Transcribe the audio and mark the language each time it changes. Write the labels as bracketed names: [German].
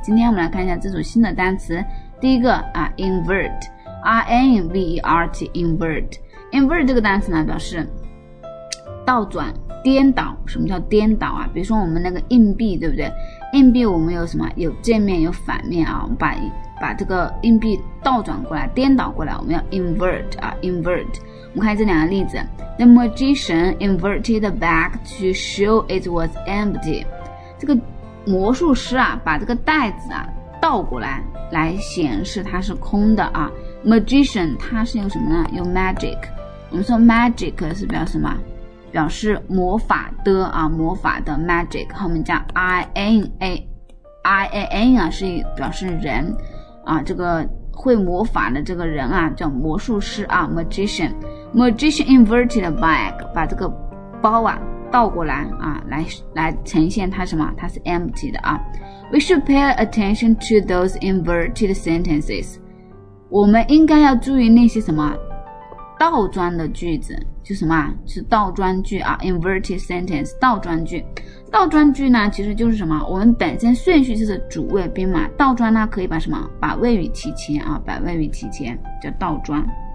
[Chinese] 今天我们来看一下这组新的单词。第一个啊 ，invert，R-N-V-E-R-T， invert， invert 这个单词呢，表示倒转、颠倒。什么叫颠倒啊？比如说我们那个硬币，对不对？硬币我们有什么？有正面，有反面啊。我们把这个硬币倒转过来，颠倒过来，我们要 invert 啊 ，invert。我们看这两个例子 [English] ，The magician inverted the bag to show it was empty。 [Chinese] 这个魔术师啊，把这个袋子啊倒过来，来显示它是空的啊。 Magician 它是有什么呢？有 magic。我们说 magic 是表示什么？表示魔法的啊，魔法的 magic 后面加 ian 啊，是表示人啊，这个会魔法的这个人啊，叫魔术师啊 ，magician。 [English] Magician inverted bag， [Chinese] 把这个包啊倒过来啊，来呈现它什么？它是 empty 的啊。 [English] We should pay attention to those inverted sentences。 [Chinese] 我们应该要注意那些什么倒装的句子，就什么是倒装句啊 ？Inverted sentence， 倒装句。倒装句呢，其实就是什么？我们本身顺序就是主谓宾嘛。倒装呢，可以把什么？把谓语提前啊，把谓语提前叫倒装。